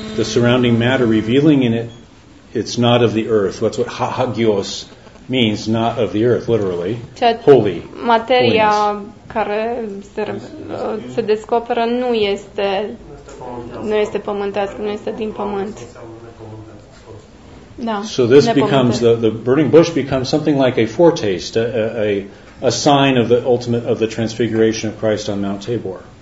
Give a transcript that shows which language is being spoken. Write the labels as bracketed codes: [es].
[en] The surrounding matter revealing in it, it's not of the earth. That's what hagios means, not of the earth, literally. Holy. [ro] Materia care se descoperă nu este, nu este pământească, nu este din pământ. Da, [en] so this becomes the burning bush becomes something like a foretaste, a sign of the ultimate of the transfiguration of Christ on Mount Tabor.